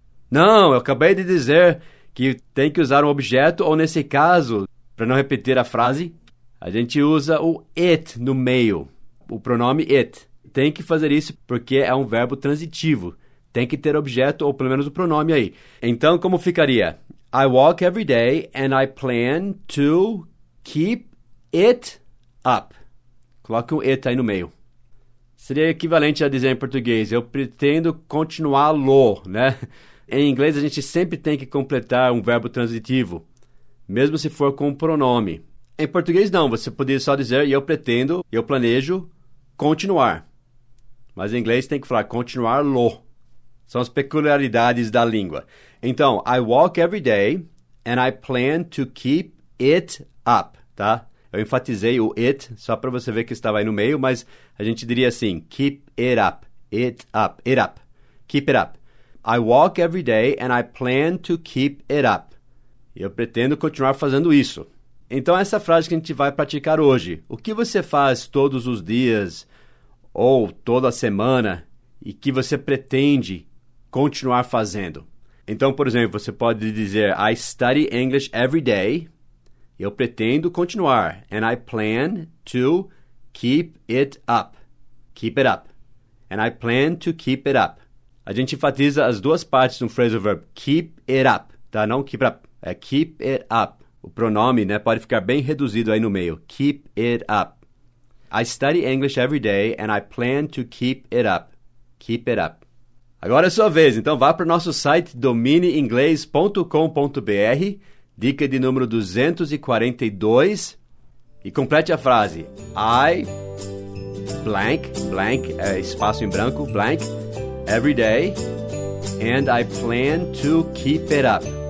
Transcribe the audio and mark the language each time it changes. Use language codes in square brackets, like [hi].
[pt] Não, eu acabei de dizer que tem que usar um objeto, ou nesse caso, para não repetir a frase, a gente usa o it no meio, o pronome it. Tem que fazer isso porque é um verbo transitivo. Tem que ter objeto ou pelo menos o pronome aí. Então, como ficaria? [en] I walk every day and I plan to keep it up. [pt] Coloque um it aí no meio. Seria equivalente a dizer em português, eu pretendo continuá-lo, né? Em inglês, a gente sempre tem que completar um verbo transitivo, mesmo se for com um pronome. Em português não, você poderia só dizer eu pretendo, eu planejo continuar. Mas em inglês tem que falar continuar lo. São as peculiaridades da língua. [en] Então, I walk every day and I plan to keep it up, tá? [pt] Eu enfatizei o it só para você ver que estava aí no meio, mas a gente diria assim, [en] keep it up, it up, keep it up. I walk every day and I plan to keep it up. [pt] Eu pretendo continuar fazendo isso. Então, essa frase que a gente vai praticar hoje, o que você faz todos os dias ou toda semana e que você pretende continuar fazendo? Então, por exemplo, você pode dizer, [en] I study English every day. [pt] Eu pretendo continuar. [en] And I plan to keep it up. Keep it up. And I plan to keep it up. [pt] A gente enfatiza as duas partes do [en] phrasal verb, keep it up, tá? Não keep up, é keep it up. [pt] O pronome, né, pode ficar bem reduzido aí no meio. [en] Keep it up. I study English every day and I plan to keep it up. Keep it up. [pt] Agora é sua vez, então vá para o nosso site domineinglês.com.br, dica de número 242, e complete a frase. [en] I blank, blank, [pt] é espaço em branco, [en] blank, every day and I plan to keep it up.